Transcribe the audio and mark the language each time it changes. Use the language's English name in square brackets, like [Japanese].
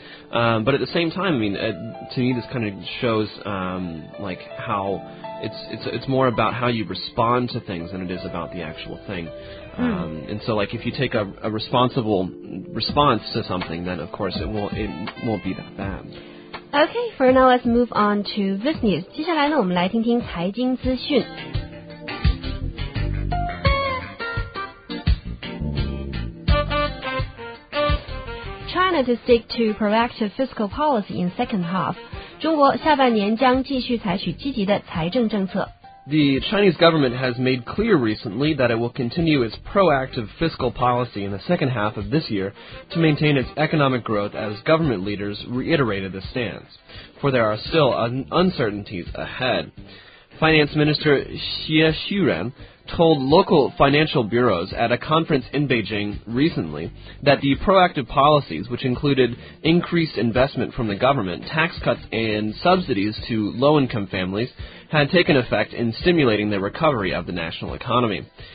[English] But at the same time, I mean, to me, this kind of shows, like, how it's more about how you respond to things than it is about the actual thing. And so, like, if you take a responsible response to something, then, of course, it won't be that bad. Okay, for now, let's move on to this news. [Chinese] 接下来呢，我们来听听财经资讯。 [English] China to stick to proactive fiscal policy in second half. [Chinese] 中国下半年将继续采取积极的财政政策。 [English] The Chinese government has made clear recently that it will continue its proactive fiscal policy in the second half of this year to maintain its economic growth as government leaders reiterated the stance, for there are still uncertainties ahead. Finance Minister Xie Xuren told local financial bureaus at a conference in Beijing recently that the proactive policies, which included increased investment from the government, tax cuts and subsidies to low-income families, had taken effect in stimulating the recovery of the national economy.